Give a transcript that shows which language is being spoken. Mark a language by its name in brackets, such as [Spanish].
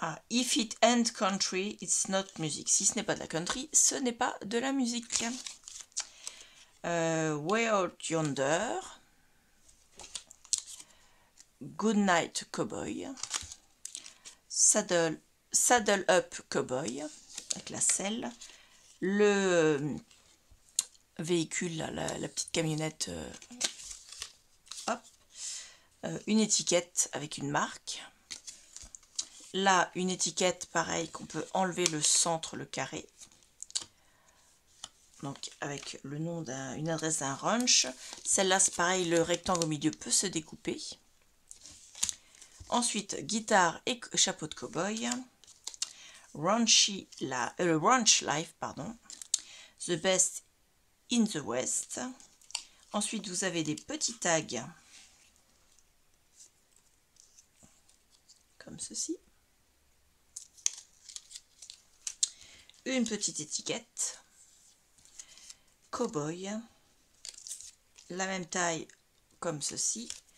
[English] If it ain't country, it's not music. [French] Si ce n'est pas de la country, ce n'est pas de la musique. [English] Way out yonder. Good night, cowboy. Saddle up, cowboy. [French] Avec la selle. Le... véhicule, la petite camionnette, une étiquette avec une marque, là une étiquette pareil qu'on peut enlever le centre, le carré, donc avec le nom d'une adresse d'un ranch, celle-là c'est pareil, le rectangle au milieu peut se découper, ensuite guitare et chapeau de cow-boy, [English] Ranch Life, pardon, The Best in the West. [French] Ensuite, vous avez des petits tags comme ceci. Une petite étiquette Cowboy, la même taille comme ceci.